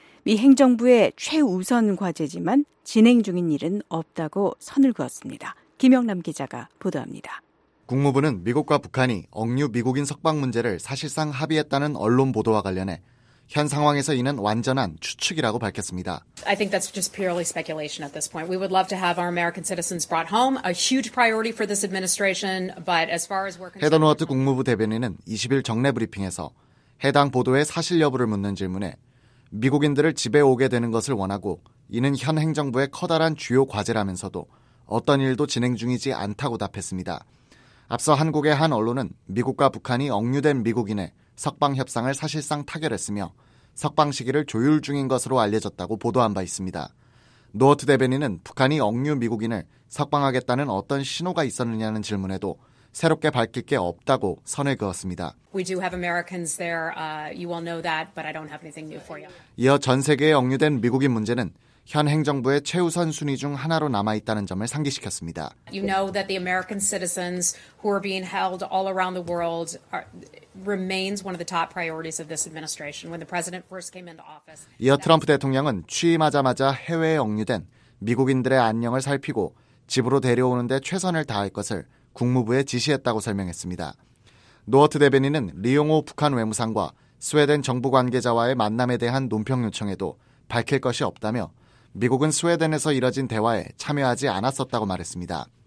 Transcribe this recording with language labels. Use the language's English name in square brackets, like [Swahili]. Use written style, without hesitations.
[Korean] 미 행정부의 최우선 과제지만 진행 중인 일은 없다고 선을 그었습니다. 김영남 기자가 보도합니다. 국무부는 미국과 북한이 억류 미국인 석방 문제를 사실상 합의했다는 언론 보도와 관련해 현 상황에서 이는 완전한 추측이라고 밝혔습니다. [English] I think that's just purely speculation at this point. We would love to have our American citizens brought home, a huge priority for this administration, but as far as we're concerned. [Korean] 헤더 노어트 국무부 대변인은 20일 정례 브리핑에서 해당 보도의 사실 여부를 묻는 질문에 미국인들을 집에 오게 되는 것을 원하고 이는 현 행정부의 커다란 주요 과제라면서도 어떤 일도 진행 중이지 않다고 답했습니다. 앞서 한국의 한 언론은 미국과 북한이 억류된 미국인의 석방 협상을 사실상 타결했으며 석방 시기를 조율 중인 것으로 알려졌다고 보도한 바 있습니다. 노어트 대변인은 북한이 억류 미국인을 석방하겠다는 어떤 신호가 있었느냐는 질문에도 새롭게 밝힐 게 없다고 선을 그었습니다. [English] We do have Americans there. You will know that, but I don't have anything new for you. [Korean] 이어 전 세계에 억류된 미국인 문제는 현 행정부의 최우선 순위 중 하나로 남아 있다는 점을 상기시켰습니다. [English] You know that the American citizens who are being held all around the world remains one of the top priorities of this administration. When the president first came into office, [Korean] 이어 트럼프 대통령은 취임하자마자 해외에 억류된 미국인들의 안녕을 살피고 집으로 데려오는 데 최선을 다할 것을 국무부에 지시했다고 설명했습니다. 노어트 대변인은 리용호 북한 외무상과 스웨덴 정부 관계자와의 만남에 대한 논평 요청에도 밝힐 것이 없다며 미국은 스웨덴에서 이뤄진 대화에 참여하지 않았었다고 말했습니다.